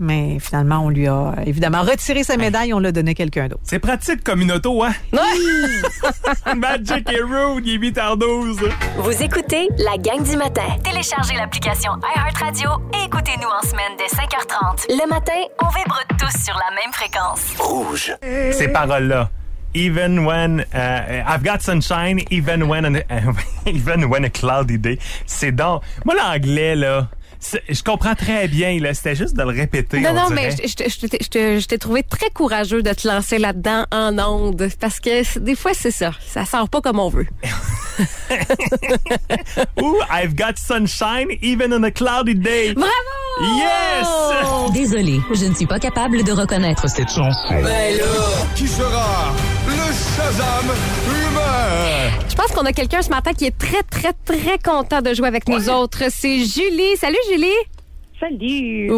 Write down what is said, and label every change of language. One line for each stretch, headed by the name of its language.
French: Mais finalement, on lui a évidemment retiré sa médaille et on l'a donné à quelqu'un d'autre. C'est pratique comme une auto, hein? Oui! Magic et Rude, il est 8h12. Vous écoutez la gang du matin. Téléchargez l'application iHeartRadio et écoutez-nous en semaine dès 5h30. Le matin, on vibre tous sur la même fréquence. Rouge. Et... ces paroles-là.
English: Even when I've got sunshine, even when a cloudy day.
French: C'est donc... moi, l'anglais, là... je comprends très bien, là. C'était juste de le répéter. Non, mais je t'ai trouvé très courageux de te lancer là-dedans en onde. Parce que des fois, c'est ça. Ça sort pas comme on veut.
English: Ooh, I've got sunshine even on a cloudy day.
French: Bravo!
English: Yes!
French: Désolée, je ne suis pas capable de reconnaître cette chanson. Mais là, qui sera le Shazam humain? Je pense qu'on a quelqu'un ce matin qui est très, très, très content de jouer avec nous autres. C'est Julie. Salut, Julie. Salut.